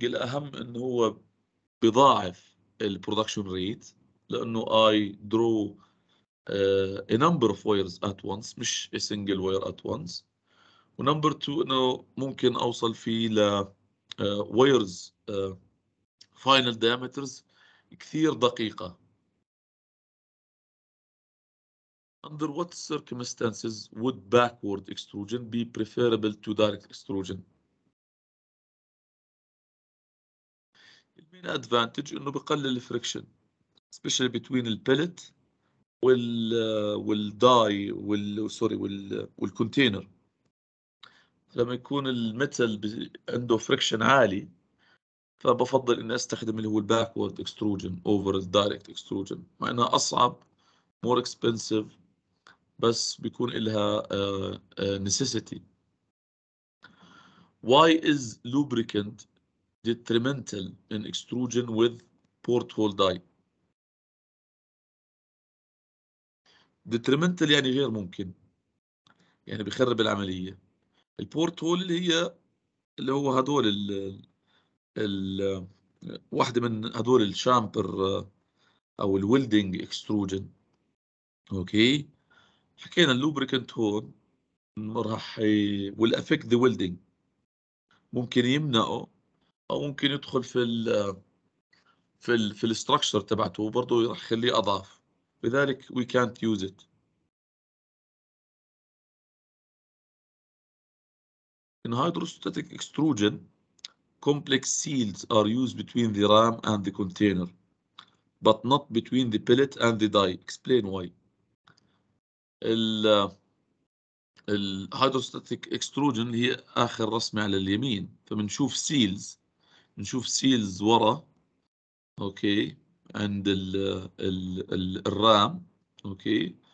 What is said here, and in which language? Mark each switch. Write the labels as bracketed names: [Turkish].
[Arabic] الأهم إنه هو بضاعف ال production rate لأنه [English] I draw a number of wires at once [Arabic] مش [English] a single wire at once. [Arabic] و [English] number two [Arabic] إنه ممكن أوصل فيه ل [English] wires final diameters [Arabic] كثير دقيقة. [English] Under what circumstances would backward extrusion be preferable to direct extrusion? The main advantage is that it friction, especially between the pellet and the die, sorry, and container. [Arabic] لما يكون الميتال عنده فريكشن عالي فبفضل اني استخدم اللي هو الباكورد اكستروجن اوفر الدايركت اكستروجن مع انها اصعب [English] more expensive [Arabic] بس بيكون لها نيسيسيتي. [English] Why is lubricant detrimental in extrusion with port hole die? [Arabic] Detrimental يعني غير ممكن يعني بيخرب العملية. البورت هول اللي هي اللي هو هذول ال واحدة من هذول الشامبر أو الويلدينج إكستروجن. أوكي حكينا اللوبريكنت هون راح والأفكت ذا ويلدينج ممكن يمنعه أو ممكن يدخل في ال في ال في الستركشر تبعته وبرضه راح يخليه أضعف لذلك [English] we can't use it. In hydrostatic extrusion, complex seals are used between the ram and the container, but not between the pellet and the die. Explain why. [Arabic] الـ hydrostatic extrusion هي آخر رسمة على اليمين. فمنشوف seals. نشوف seals وراء. Okay. عند الرام. Okay.